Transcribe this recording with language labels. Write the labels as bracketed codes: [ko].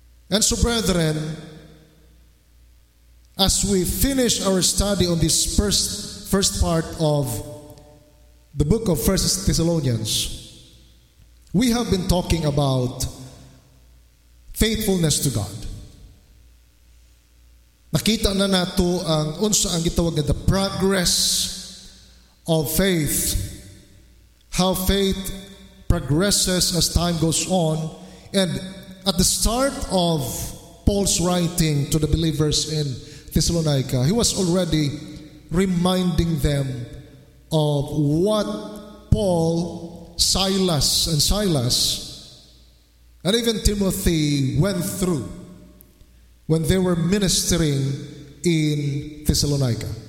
[en] And so brethren, as we finish our study on this first part of the book of 1 Thessalonians, we have been talking about faithfulness to God. [ceb] Nakita na nato ang unsa ang gitawag na [en] the progress of faith. How faith progresses as time goes on. And at the start of Paul's writing to the believers in Thessalonica, he was already reminding them of what Paul, Silas, and even Timothy went through when they were ministering in Thessalonica.